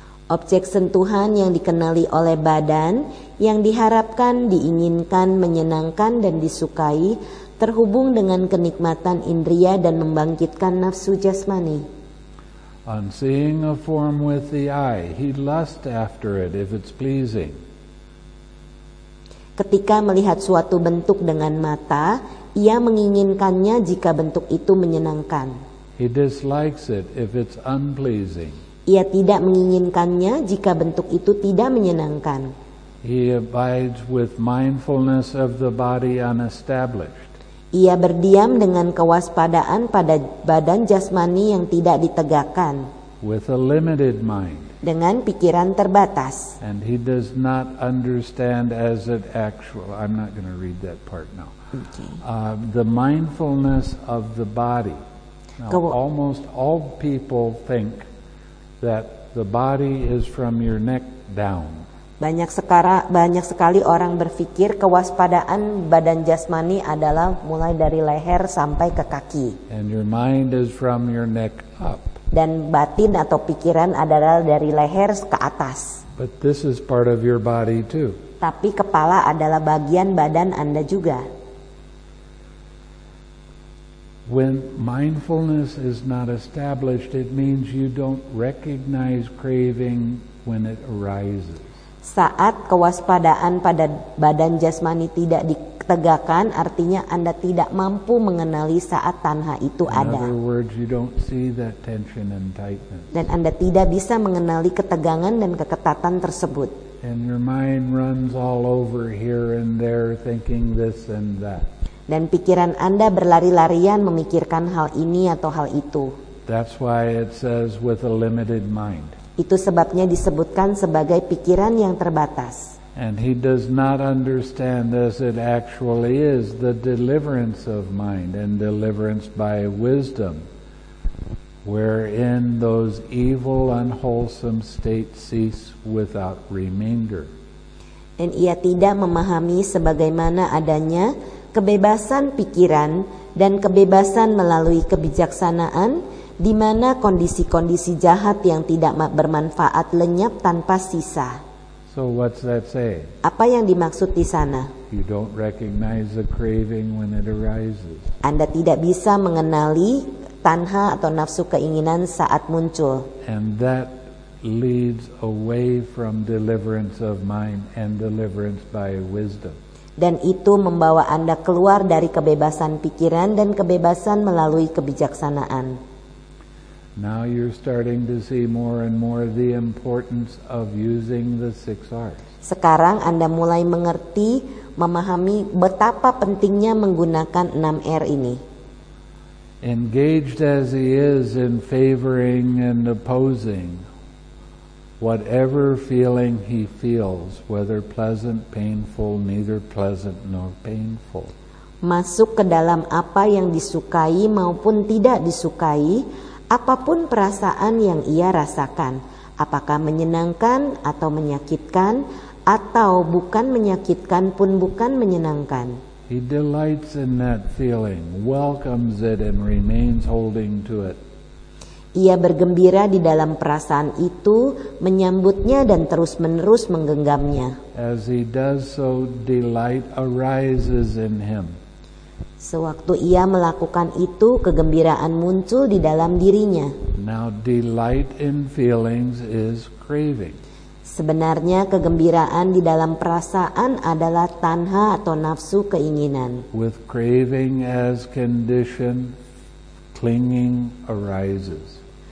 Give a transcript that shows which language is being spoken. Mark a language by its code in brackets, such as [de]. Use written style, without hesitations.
[id] Objek sentuhan yang dikenali oleh badan, yang diharapkan, diinginkan, menyenangkan dan disukai, terhubung dengan kenikmatan indria dan membangkitkan nafsu jasmani. [en] On seeing a form with the eye, he lusts after it if it's pleasing. [id] Ketika melihat suatu bentuk dengan mata, ia menginginkannya jika bentuk itu menyenangkan. [en] He dislikes it if it's unpleasing. [id] Ia tidak menginginkannya jika bentuk itu tidak menyenangkan. [en] He abides with mindfulness of the body unestablished. [id] Ia berdiam dengan kewaspadaan pada badan jasmani yang tidak ditegakkan. [en] With a limited mind. [id] Dengan pikiran terbatas. [en] And he does not understand as it actual. I'm not going to read that part now. Okay. The mindfulness of the body. Now, almost all people think that the body is from your neck down. [id] Banyak sekali orang berpikir kewaspadaan badan jasmani adalah mulai dari leher sampai ke kaki. [en] And your mind is from your neck up. [id] Dan batin atau pikiran adalah dari leher ke atas. [en] But this is part of your body too. [id] Tapi kepala adalah bagian badan Anda juga. [en] When mindfulness is not established, it means you don't recognize craving when it arises. [id] Saat kewaspadaan pada badan jasmani tidak ditegakkan, artinya Anda tidak mampu mengenali saat tanha itu ada. [en] In other words, you don't see that tension and tightness. [id] Dan Anda tidak bisa mengenali ketegangan dan keketatan tersebut. [en] And your mind runs all over here and there thinking this and that. [id] Dan pikiran Anda berlari-larian memikirkan hal ini atau hal itu. [en] That's why it says with a limited mind. [id] Itu sebabnya disebutkan sebagai pikiran yang terbatas. [en] And he does not understand this, it actually is the deliverance of mind and deliverance by wisdom, wherein those evil unwholesome states cease without remainder. [id] Dan ia tidak memahami sebagaimana adanya kebebasan pikiran dan kebebasan melalui kebijaksanaan, di mana kondisi-kondisi jahat yang tidak bermanfaat lenyap tanpa sisa. [en] So what's that say? [id] Apa yang dimaksud di sana? [en] You don't recognize the craving when it arises. [id] Anda tidak bisa mengenali tanha atau nafsu keinginan saat muncul. [en] And that leads away from deliverance of mind and deliverance by wisdom. [id] Dan itu membawa Anda keluar dari kebebasan pikiran dan kebebasan melalui kebijaksanaan. [en] Now you're starting to see more and more the importance of using the six arts. [id] Sekarang Anda mulai mengerti, memahami betapa pentingnya menggunakan 6 R ini. [en] Engaged as he is in favoring and opposing, whatever feeling he feels, whether pleasant, painful, neither pleasant nor painful. [id] Masuk ke dalam apa yang disukai maupun tidak disukai, apapun perasaan yang ia rasakan, apakah menyenangkan atau menyakitkan, atau bukan menyakitkan pun bukan menyenangkan. [en] He delights in that feeling, welcomes it and remains holding to it. [id] Ia bergembira di dalam perasaan itu, menyambutnya dan terus-menerus menggenggamnya. [en] As he does so, delight arises in him. [id] Sewaktu ia melakukan itu, kegembiraan muncul di dalam dirinya. [en] Now, delight in feelings is craving. [id] Sebenarnya kegembiraan di dalam perasaan adalah tanha atau nafsu keinginan. [en] With craving as condition, clinging arises.